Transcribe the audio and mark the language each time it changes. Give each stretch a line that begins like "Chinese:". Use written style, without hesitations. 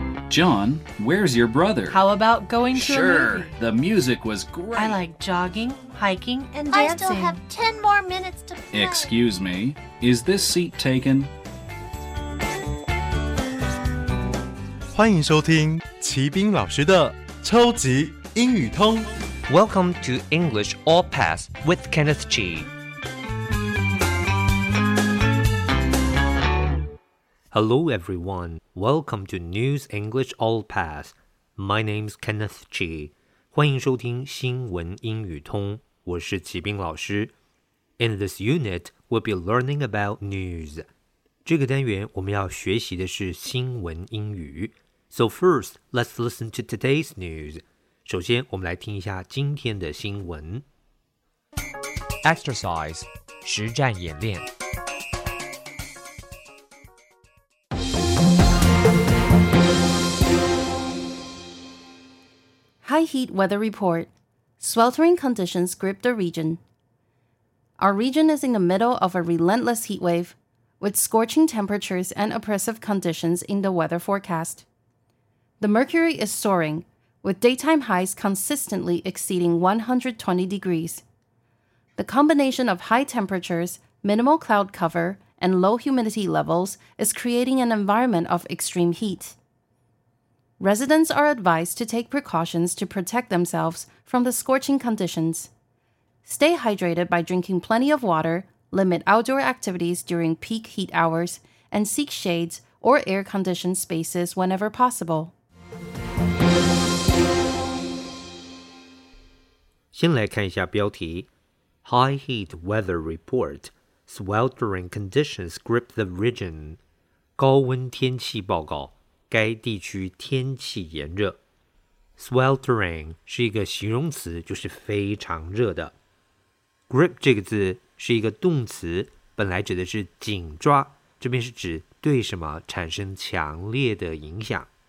English: John, where's your brother? How about going to a movie? Sure, the music was great. I like jogging, hiking, and dancing. I still have 10 more minutes to play. Excuse me, is this seat taken?
Chinese: 欢迎收听齐宾老师的超级英语通。
English: Welcome to English All Pass with Kenneth G. Hello everyone, welcome to News English All Pass. My name's Kenneth G.
Chinese: 欢迎收听新闻英语通，我是齐宾老师。
English: In this unit, we'll be learning about news.
Chinese: 这个单元我们要学习的是新闻英语。
English: So first, let's listen to today's news.
Chinese: 首先我们来听一下今天的新闻。 Exercise, 实战演练。
English: High heat weather report. Sweltering conditions grip the region. Our region is in the middle of a relentless heat wave, with scorching temperatures and oppressive conditions in the weather forecast. The mercury is soaring, with daytime highs consistently exceeding 120 degrees. The combination of high temperatures, minimal cloud cover, and low humidity levels is creating an environment of extreme heat. Residents are advised to take precautions to protect themselves from the scorching conditions. Stay hydrated by drinking plenty of water, limit outdoor activities during peak heat hours, and seek shades or air-conditioned spaces whenever possible.
Chinese: 先来看一下标题
English: High heat weather report Sweltering conditions grip the region
Chinese: 高温天气报告该地区天气炎热 Sweltering 是一个形容词就是非常热的 Grip 这个字是一个动词本来指的是紧抓这边是指对什么产生强烈的影响